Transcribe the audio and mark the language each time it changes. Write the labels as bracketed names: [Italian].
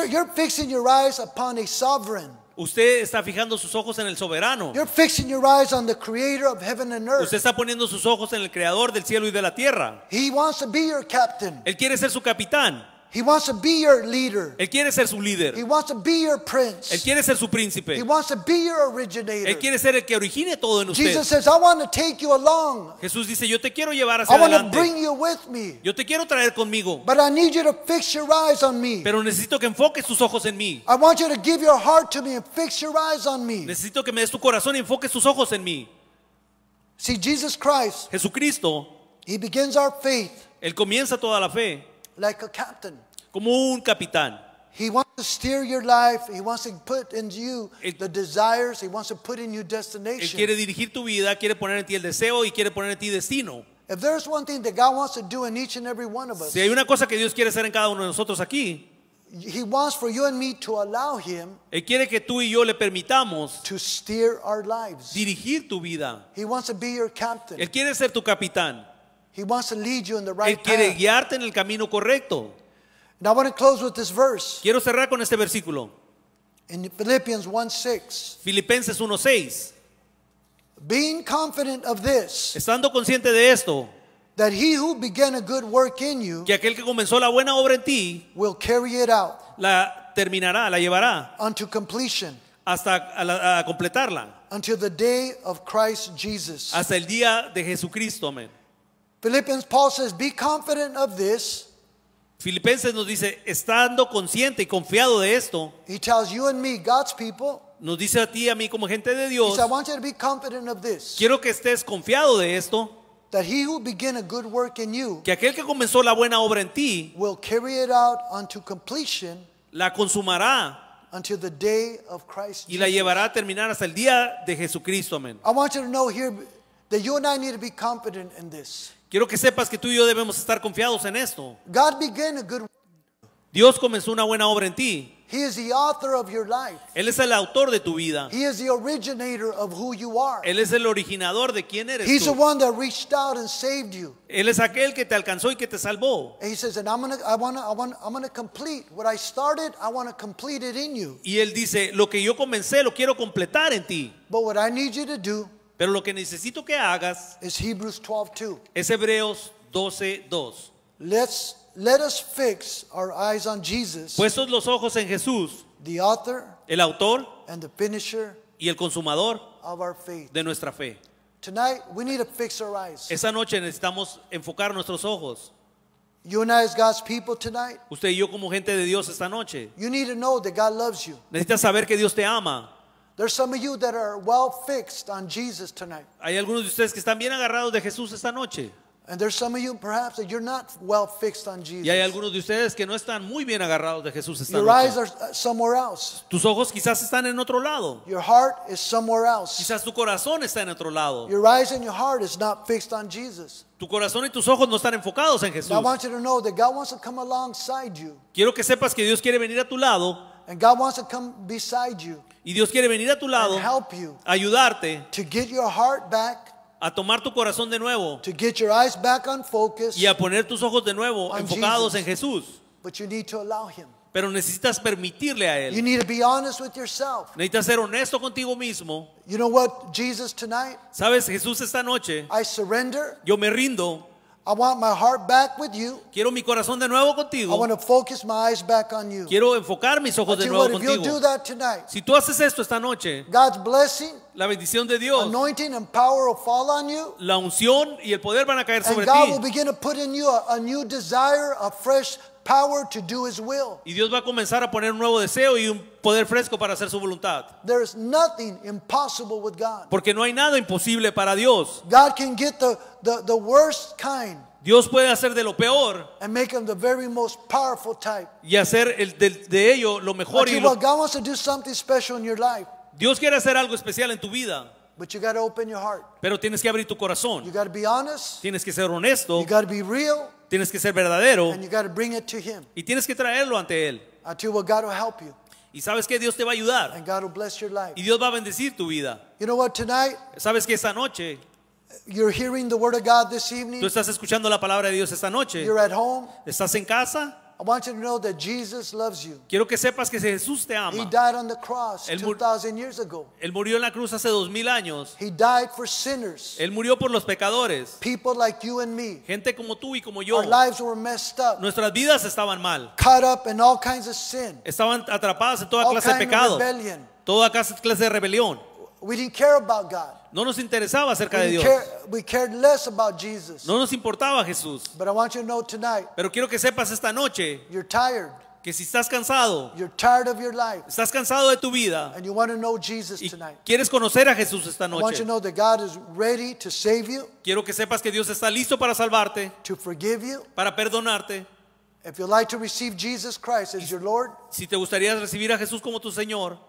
[English] You're fixing your eyes upon a sovereign. [Spanish] Usted está fijando sus ojos en el soberano. [English] You're fixing your eyes on the creator of heaven and earth. [Spanish] Usted está poniendo sus ojos en el creador del cielo y de la tierra. [English] He wants to be your captain. [Spanish] Él quiere ser su capitán. [English] He wants to be your leader. [Spanish] Él quiere ser su líder. [English] He wants to be your prince. [Spanish] Él quiere ser su príncipe. [English] He wants to be your originator. [Spanish] Él quiere ser el que origine todo en usted. [English] Jesus says, I want to take you along. [Spanish] Jesús dice, yo te quiero llevar hacia adelante. [English] I want to bring you with me. [Spanish] Yo te quiero traer conmigo. [English] But I need you to fix your eyes on me. [Spanish] Pero necesito que enfoques tus ojos en mí. [English] I want you to give your heart to me and fix your eyes on me. [Spanish] Necesito que me des tu corazón y enfoques tus ojos en mí. [English] See, Jesus Christ. [Spanish] Jesucristo. [English] He begins our faith. [Spanish] Él comienza toda la fe. [English] Like a captain. [Spanish] Como un capitán. [English] He wants to steer your life. He wants to put in you the desires. He wants to put in you destination. [Spanish] Él quiere dirigir tu vida, quiere poner en ti el deseo y quiere poner en ti destino. [English] If there's one thing that God wants to do in each and every one of us. [Spanish] Si hay una cosa que Dios quiere hacer en cada uno de nosotros aquí. [English] He wants for you and me to allow Him. [Spanish] Él quiere que tú y yo le permitamos. [English] To steer our lives. [Spanish] Dirigir tu vida. [English] He wants to be your captain. [Spanish] Él quiere ser tu capitán. [English] He wants to lead you in the right path. [Spanish] Él quiere guiarte en el camino correcto. [English] And I want to close with this verse. [Spanish] Quiero cerrar con este versículo. [English] In Philippians 1:6. [Spanish] Filipenses 1:6. [English] Being confident of this. [Spanish] Estando consciente de esto. [English] That he who began a good work in you. [Spanish] Que aquel que comenzó la buena obra en ti. [English] Will carry it out. [Spanish] La terminará, la llevará. [English] Unto completion. [Spanish] Hasta a completarla. [English] Until the day of Christ Jesus. [Spanish] Hasta el día de Jesucristo, amén. [English] Philippians, Paul says, be confident of this. [Spanish] Filipenses nos dice, estando consciente y confiado de esto. [English] He tells you and me, God's people. [Spanish] Nos dice a ti y a mí como gente de Dios. [English] He says, I want you to be confident of this. [Spanish] Quiero que estés confiado de esto. [English] That he who began a good work in you. [Spanish] Que aquel que comenzó la buena obra en ti. [English] Will carry it out unto completion. [Spanish] La consumará. [English] Until the day of Christ Jesus. [Spanish] Y la llevará a terminar hasta el día de Jesucristo. Amén. [English] I want you to know here that you and I need to be confident in this. [Spanish] Quiero que sepas que tú y yo debemos estar confiados en esto. [English] God began a good work. [Spanish] Dios comenzó una buena obra en ti. [English] He is the author of your life. [Spanish] Él es el autor de tu vida. [English] He is the originator of who you are. [Spanish] Él es el originador de quién eres. [English] He's [Spanish] tú. [English] The one that reached out and saved you. [Spanish] Él es aquel que te alcanzó y que te salvó. [English] And he says, and I'm gonna complete what I started. I want to complete it in you. [Spanish] Y él dice, lo que yo comencé lo quiero completar en ti. [English] But what I need you to do. [Spanish] Pero lo que necesito que hagas [English] is Hebrews 12:2. [Spanish] Es Hebreos 12:2. [English] Let us fix our eyes on Jesus. [Spanish] Puestos los ojos en Jesús. [English] The author, [Spanish] el autor, [English] and the finisher, [Spanish] y el consumador [English] of our faith. [Spanish] De nuestra fe. [English] Tonight we need to fix our eyes. [Spanish] Esa noche necesitamos enfocar nuestros ojos. [English] You and I as God's people tonight. [Spanish] Usted y yo como gente de Dios esta noche. [English] You need to know that God loves you. [Spanish] Necesitas saber que Dios te ama. [English] There's some of you that are well fixed on Jesus tonight. [Spanish] Hay algunos de ustedes que están bien agarrados de Jesús esta noche. [English] And there's some of you perhaps that you're not well fixed on Jesus. [Spanish] Y hay algunos de ustedes que no están muy bien agarrados de Jesús esta [English] Your [Spanish] noche. [English] Eyes are somewhere else. [Spanish] Tus ojos quizás están en otro lado. [English] Your heart is somewhere else. [Spanish] Quizás tu corazón está en otro lado. [English] Your eyes and your heart is not fixed on Jesus. [Spanish] Tu corazón y tus ojos no están enfocados en Jesús. [English] I want you to know that God wants to come alongside you. [Spanish] Quiero que sepas que Dios quiere venir a tu lado. [English] And God wants to come beside you. [Spanish] Y Dios quiere venir a tu lado. [English] And help you. [Spanish] Ayudarte. [English] To get your heart back. [Spanish] A tomar tu corazón de nuevo. [English] To get your eyes back on focus. [Spanish] Y a poner tus ojos de nuevo enfocados [English] Jesus. [Spanish] En Jesús. [English] But you need to allow him. [Spanish] Pero necesitas permitirle a él. [English] You need to be honest with yourself. [Spanish] Necesitas ser honesto contigo mismo. [English] You know what, Jesus, tonight? [Spanish] ¿Sabes, Jesús, esta noche? [English] I surrender. [Spanish] Yo me rindo. [English] I want my heart back with you. [Spanish] Quiero mi corazón de nuevo contigo. [English] I want to focus my eyes back on you. [Spanish] Quiero enfocar mis ojos de nuevo contigo. [English] If you do that tonight, [Spanish] si tú haces esto esta noche, [English] God's blessing, [Spanish] la bendición de Dios, [English] anointing and power will fall on you, [Spanish] la unción y el poder van a caer sobre ti. [English] And God will begin to put in you a new desire, a fresh power to do his will. [Spanish] Y Dios va a comenzar a poner un nuevo deseo y un poder fresco para hacer su voluntad. [English] There is nothing impossible with God. [Spanish] Porque no hay nada imposible para Dios. [English] God can get the worst kind. [Spanish] Dios puede hacer de lo peor. [English] And make him the very most powerful type. [Spanish] Y hacer de ello lo mejor. [English] But [Spanish] y lo... [English] God wants to do something special in your life. [Spanish] Dios quiere hacer algo especial en tu vida. [English] But you got to open your heart. [Spanish] Pero tienes que abrir tu corazón. [English] You got to be honest. [Spanish] Tienes que ser honesto. [English] You got to be real. [Spanish] Tienes que ser verdadero. [English] And you got to bring it to him. [Spanish] Y tienes que traerlo ante él. [English] I tell you what, God will help you. [Spanish] Y sabes que Dios te va a ayudar. [English] And God will bless your life. [Spanish] Y Dios va a bendecir tu vida. [English] You know what, tonight? [Spanish] Sabes que esta noche. [English] You're hearing the word of God this evening. [Spanish] Tú estás escuchando la palabra de Dios esta noche. [English] You're at home. [Spanish] Estás en casa. [English] I want you to know that Jesus loves you. [Spanish] Quiero que sepas que Jesús te ama. [English] He died on the cross 2,000 years ago. [Spanish] Él murió en la cruz hace 2,000 años. [English] He died for sinners. [Spanish] Él murió por los pecadores. [English] People like you and me. [Spanish] Gente como tú y como yo. [English] Our lives were messed up. [Spanish] Nuestras vidas estaban mal. [English] Caught up in all kinds of sin. [Spanish] Estaban atrapadas en toda clase de pecado. [English] All kinds of rebellion. [Spanish] Toda clase de rebelión. [English] We didn't care about God. [Spanish] No nos interesaba acerca de Dios. [English] We cared less about Jesus. [Spanish] No nos importaba Jesús. [English] But I want you to know tonight. [Spanish] Pero quiero que sepas esta noche. [English] You're tired. [Spanish] Que si estás cansado. [English] You're tired of your life. [Spanish] Estás cansado de tu vida. [English] And you want to know Jesus tonight. [Spanish] Quieres conocer a Jesús esta noche. [English] I want you to know that God is ready to save you. [Spanish] Quiero que sepas que Dios está listo para salvarte. [English] To forgive you. [Spanish] Para perdonarte. [English] If you'd like to receive Jesus Christ as your Lord, [Spanish] si te gustaría recibir a Jesús como tu Señor,